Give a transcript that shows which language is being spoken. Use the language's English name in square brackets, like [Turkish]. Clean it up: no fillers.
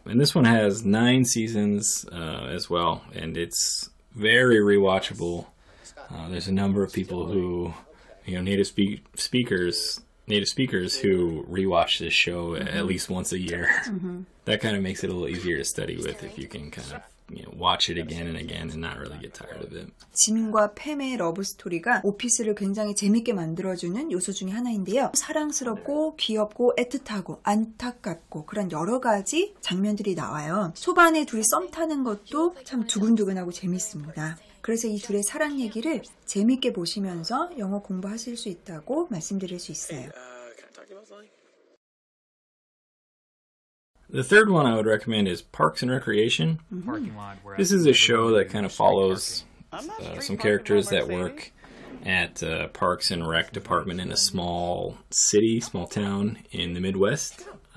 [English] And this one has 9 seasons as well, and it's very rewatchable. There's a number of people who, you know, native speakers who rewatch this show at least once a year. That kind of makes it a little easier to study with if you can kind of, you know, watch it again and again and not really get tired of it. [Korean] 짐과 팸의 러브 스토리가 오피스를 굉장히 재밌게 만들어주는 요소 중에 하나인데요. 사랑스럽고 귀엽고 애틋하고 안타깝고 그런 여러 가지 장면들이 나와요. 초반에 둘이 썸 타는 것도 참 두근두근하고 재밌습니다. 그래서 이 둘의 사랑 얘기를 재밌게 보시면서 영어 공부하실 수 있다고 말씀드릴 수 있어요. [English] The third one I would recommend is Parks and Recreation. This is a show that kind of follows some characters that work at Parks and Rec department in a small city, small town in the Midwest.